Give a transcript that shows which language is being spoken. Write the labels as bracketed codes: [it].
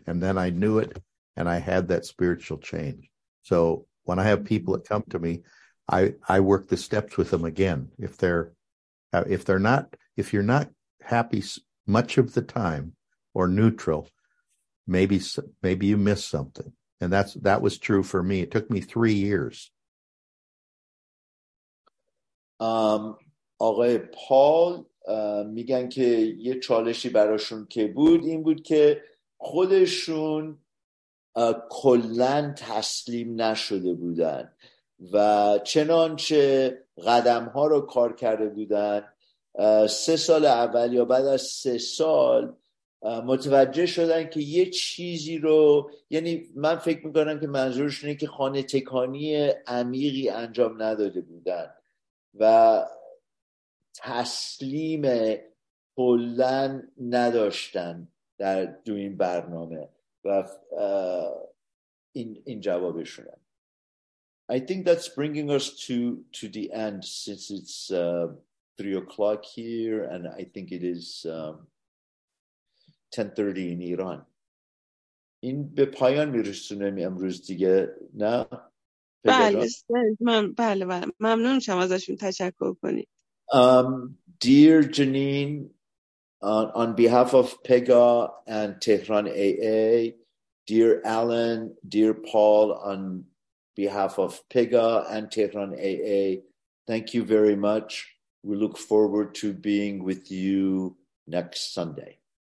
[en] And then I knew it and I had that spiritual change. So when I have people that come to me, I work the steps with them again. If you're not happy much of the time or neutral, maybe you miss something. And that was true for me. It took me 3 years. [fa] آقای پال میگن که یه چالشی براشون که بود این بود که خودشون کلن تسلیم نشده بودن و چنانچه قدمها رو کار کرده بودن، 3 سال اول یا بعد از 3 سال متوجه شدن که یه چیزی رو، یعنی من فکر میکنم که منظورش اینه که خانه تکانی عمیقی انجام نداده بودن و تسلیم کلن نداشتن در دو این برنامه و این جوابشونه. [en] I think that's bringing us to the end since it's 3 o'clock here and I think it is 10:30 in Iran. [fa] این به پایان میرسونم امروز دیگه، نه؟ بله، من ممنونم شما ازشون تشکر کنید. [en] Dear Janine, on behalf of PEGA and Tehran AA, dear Alan, dear Paul, on behalf of PEGA and Tehran AA, thank you very much. We look forward to being with you next Sunday.